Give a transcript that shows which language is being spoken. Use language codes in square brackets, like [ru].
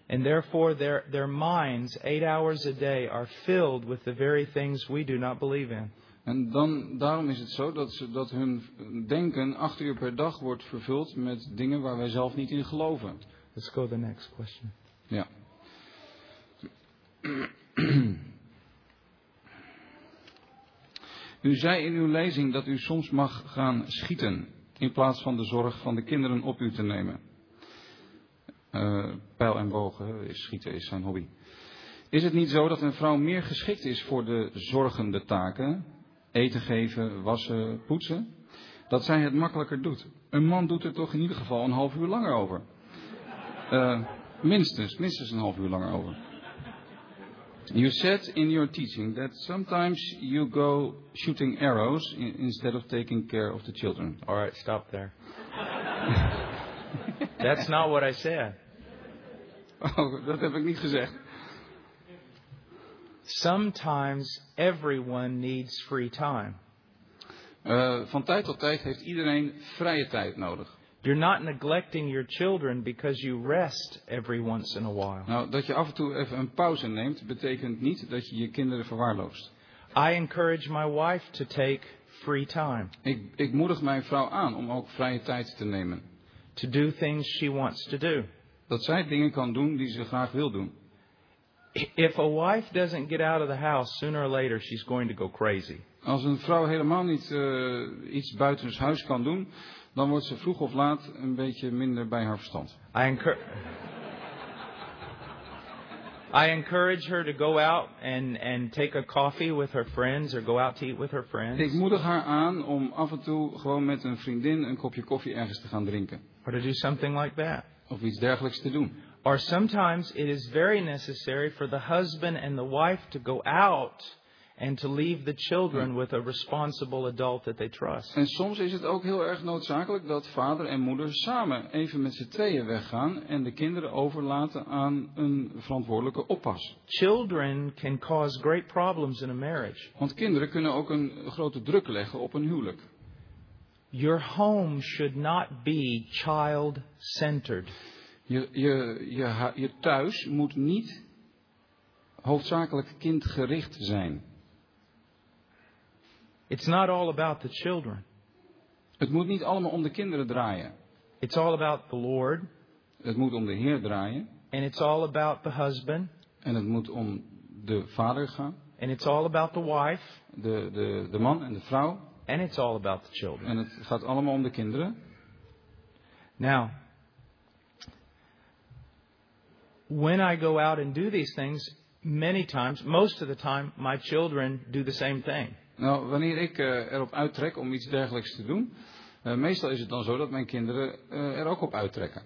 [en] And therefore their minds 8 hours a day are filled with the very things we do not believe in. [nl] En dan daarom is het zo dat hun denken 8 uur per dag wordt vervuld met dingen waar wij zelf niet in geloven. [en] Let's go to the next question. [nl] Ja. U zei in uw lezing dat u soms mag gaan schieten in plaats van de zorg van de kinderen op u te nemen. Pijl en bogen, schieten is zijn hobby. Is het niet zo dat een vrouw meer geschikt is voor de zorgende taken, eten geven, wassen, poetsen, dat zij het makkelijker doet? Een man doet er toch in ieder geval een half uur langer over. Minstens een half uur langer over. [en] You said in your teaching that sometimes you go shooting arrows instead of taking care of the children. All right, stop there. That's not what I said. [nl] Oh, dat heb ik niet gezegd. [en] Sometimes everyone needs free time. [nl] Van tijd tot tijd heeft iedereen vrije tijd nodig. [en] You're not neglecting your children because you rest every once in a while. [nl] Nou, dat je af en toe even een pauze neemt, betekent niet dat je je kinderen verwaarloost. [en] I encourage my wife to take free time. [nl] Ik moedig mijn vrouw aan om ook vrije tijd te nemen. [en] To do things she wants to do. [nl] Dat zij dingen kan doen die ze graag wil doen. [en] If a wife doesn't get out of the house sooner or later, she's going to go crazy. [nl] Als een vrouw helemaal niet iets buitenshuis kan doen, dan wordt ze vroeg of laat een beetje minder bij haar verstand. [en] I encourage her to go out and take a coffee with her friends or go out to eat with her friends. [nl] Ik moedig haar aan om af en toe gewoon met een vriendin een kopje koffie ergens te gaan drinken. [en] Or to do something like that. [nl] Of iets dergelijks te doen. [en] Or sometimes it is very necessary for the husband and the wife to go out and to leave the children with a responsible adult that they trust. [nl] En soms is het ook heel erg noodzakelijk dat vader en moeder samen even met z'n tweeën weggaan en de kinderen overlaten aan een verantwoordelijke oppas. [en] Children can cause great problems in a marriage. [nl] Want kinderen kunnen ook een grote druk leggen op een huwelijk. [en] Your home should not be child-centered. [nl] Je thuis moet niet hoofdzakelijk kindgericht zijn. [en] It's not all about the children. [nl] Het moet niet allemaal om de kinderen draaien. [en] It's all about the Lord. [nl] Het moet om de Heer draaien. [en] And it's all about the husband. [nl] En het moet om de vader gaan. [en] And it's all about the wife. [nl] De man en de vrouw. [en] And it's all about the children. [nl] En het gaat allemaal om de kinderen. [en] Now, when I go out and do these things, many times, most of the time, my children do the same thing. [nl] Nou, wanneer ik erop uittrek om iets dergelijks te doen, meestal is het dan zo dat mijn kinderen er ook op uittrekken.